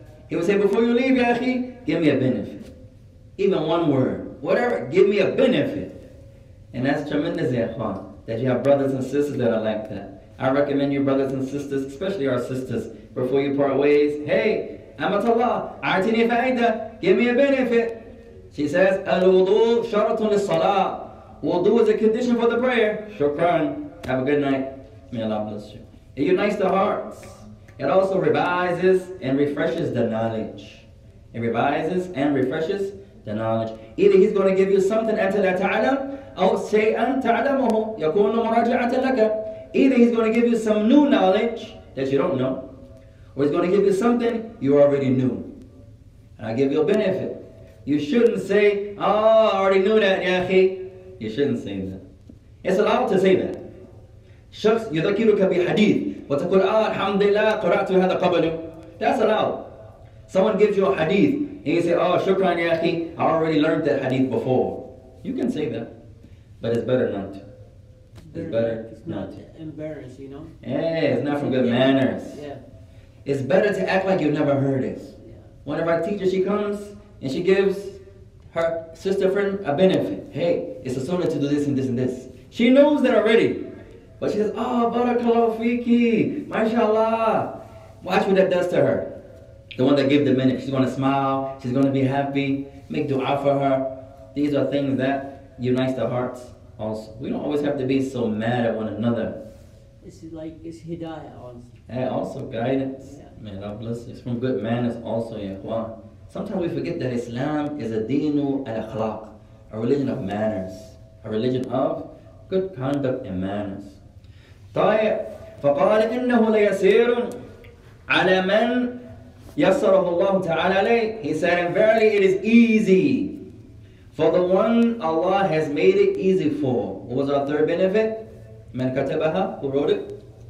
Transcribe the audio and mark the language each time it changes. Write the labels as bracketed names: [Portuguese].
[English] He would say, before you leave, ya akhi, give me a benefit. Even one word. Whatever, give me a benefit. And that's tremendous, ya akhwan, that you have brothers and sisters that are like that. I recommend you brothers and sisters, especially our sisters, before you part ways, hey, amatallah, [Arabic] أعطيني فائدة, [English] give me a benefit. [Arabic] She says, الوضوء شرط للصلاة. [English] Wudu is a condition for the prayer. Shukran. Have a good night. May Allah bless you. It unites the hearts. It also revises and refreshes the knowledge. It revises and refreshes the knowledge. Either he's going to give you something until you ta'alam, or [Arabic] say'an ta'alamuhu, yakunu muraja'atan laka. [English] Either he's going to give you some new knowledge that you don't know, or he's going to give you something you already knew. And I'll give you a benefit. You shouldn't say, oh, I already knew that, ya akhi. You shouldn't say that. It's allowed to say that. [Arabic] شخص يذكرك بحديث وتقول آه الحمد لله قرأت هذا قبل. [English] That's allowed. Someone gives you a hadith and you say, oh, shukran ya akhi, I already learned that hadith before. You can say that. But it's better not to. It's not embarrassed, you know? Yeah, it's not from good manners. Yeah. It's better to act like you've never heard it. Yeah. One of our teachers, she comes and she gives her sister friend a benefit. Hey, it's a sunnah to do this and this and this. She knows that already. But she says, oh, barakallahu fiki, mashallah. Watch what that does to her. The one that gave the benefit, she's gonna smile, she's gonna be happy, make dua for her. These are things that unites the hearts also. We don't always have to be so mad at one another. It's hidayah also. Hey, also guidance. Yeah. May Allah bless you. It's from good manners also, ya ikhwan. Sometimes we forget that Islam is a dinu al-akhlaq, a religion of manners, a religion of good conduct and manners. [Arabic] طيب فقال إنه ليسير على من يسره الله تعالى عليه. [English] He said, and verily it is easy for the one Allah has made it easy for. What was our third benefit? [Arabic] من كتبها, [English] who wrote it?